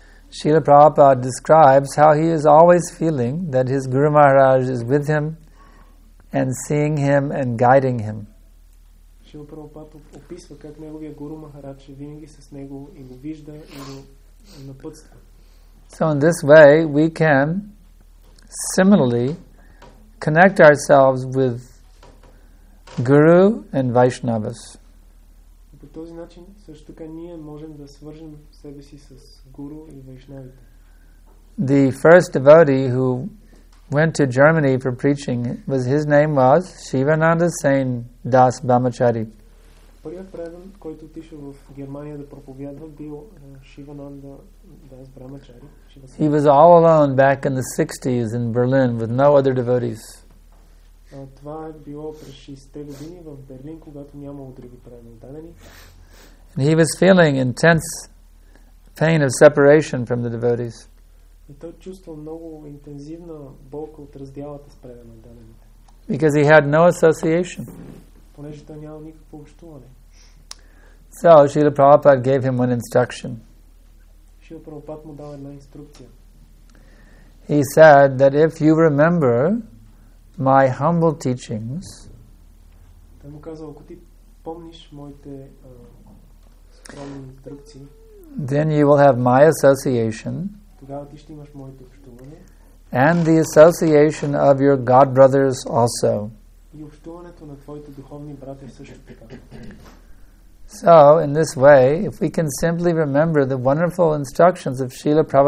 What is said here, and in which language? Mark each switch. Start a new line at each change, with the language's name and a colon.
English: Srila Prabhupada describes how he is always feeling that his Guru Maharaj is with him and seeing him and guiding him.
Bulgarian: Srila Prabhupada описва как неговия Guru Maharaj е винаги с него и го вижда и го напътства.
English: So in this way we can similarly connect ourselves with Guru and Vaishnavas.
Bulgarian: По този начин също така ние можем да свържем себе си с гуру и вайшнавите.
English: The first devotee who went to Germany for preaching was his name was Shivananda Sen Das Brahmachari.
Bulgarian: Първият преводач, който отишъл в Германия да проповядва, бил Шивананда Дас Брамачари.
English: He was all alone back in the 60s in Berlin with no other devotees.
Bulgarian: Това е било през 60-те години в Берлин, когато нямало други преданени.
English: And he was feeling intense pain of separation from the devotees.
Bulgarian: И той чувствал много интензивна болка от раздялата с преданите.
English: Because he had no association.
Bulgarian: понеже той няма никакво общуване.
English: So, Srila Prabhupada gave him one instruction.
Bulgarian: Srila Prabhupada му дава една инструкция.
English: He said that if you remember my humble teachings,
Bulgarian: той му казал, ако ти помниш моите скромни инструкции,
English: then you will have my association,
Bulgarian: тогава ти ще имаш моето общуване,
English: and the association of your god brothers also.
Bulgarian: И общуването на твоите духовни брати също така.
English: So, in this way, if we can simply remember the wonderful instructions of Srila